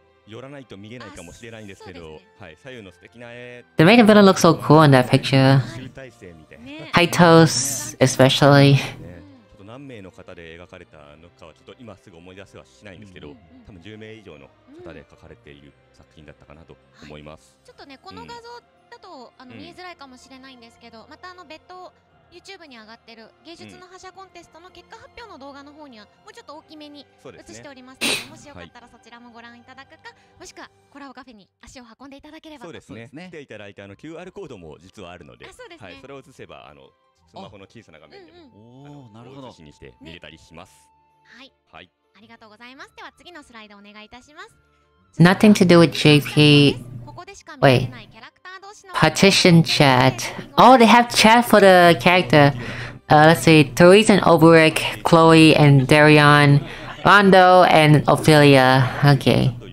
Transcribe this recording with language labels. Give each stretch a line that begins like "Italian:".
English: The main villain looks so cool in that picture. Kaito's especially.
Japanese: 3名の方で描かれたのかはちょっと今すぐ思い出せはしないんですけど、うんうんうん、多分10名以上の方で描かれている作品だったかなと思います、はい、ちょっとねこの画像だと、うん、あの見えづらいかもしれないんですけど、うん、またあの別途 YouTube に上がってる芸術の覇者コンテストの結果発表の動画の方にはもうちょっと大きめに映しておりますの です、ね、もしよかったらそちらもご覧いただくか、はい、もしくはコラボカフェに足を運んでいただければそうですね、来ていただいたあの QR コードも実はあるので、あ、そうですね、はい、それを映せばあのスマホの小さな画面でも、うんうん、なるほど、写しにして見れたりします、ね、はい、はい、ありがとうございます。では次のスライドお願いいたします。
English: Nothing to do with JP Wait Partition chat. Oh, they have chat for the character. Let's see, Therese and Oberic, Chloe and Darion, Rondo and Ophelia. Okay.